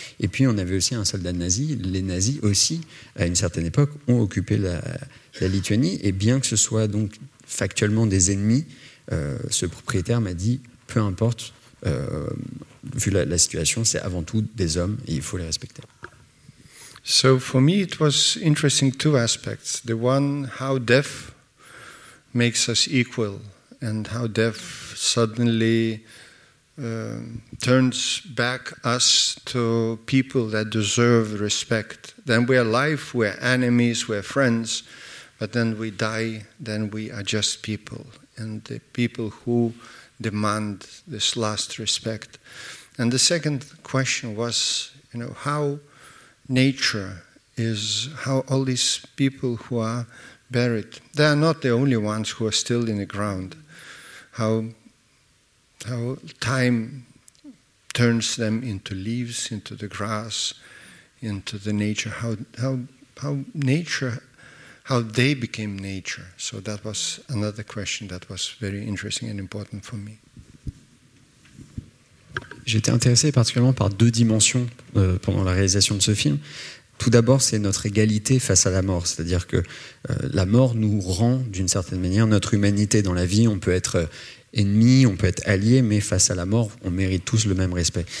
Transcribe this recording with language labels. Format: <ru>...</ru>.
<fr>Et puis, on avait aussi un soldat nazi. Les nazis aussi, à une certaine époque, ont occupé la Lituanie. Et bien que ce soit donc factuellement des ennemis, ce propriétaire m'a dit, peu importe, vu la situation, c'est avant tout des hommes et il faut les respecter.</fr> <en>So for me it was interesting two aspects. The one, how death makes us equal and how death suddenly turns back us to people that deserve respect. Then we are alive, we are enemies, we are friends, but then we die, then we are just people. And the people who demand this last respect. And the second question was, you know, how nature is, how all these people who are buried, they are not the only ones who are still in the ground, how time turns them into leaves, into the grass, into the nature, how nature, how they became nature. So that was another question that was very interesting and important for me.</en> <fr>J'étais intéressé particulièrement par deux dimensions pendant la réalisation de ce film. Tout d'abord, c'est notre égalité face à la mort. C'est-à-dire que la mort nous rend, d'une certaine manière, notre humanité. Dans la vie, on peut être ennemi, on peut être allié, mais face à la mort, on mérite tous le même respect.</fr>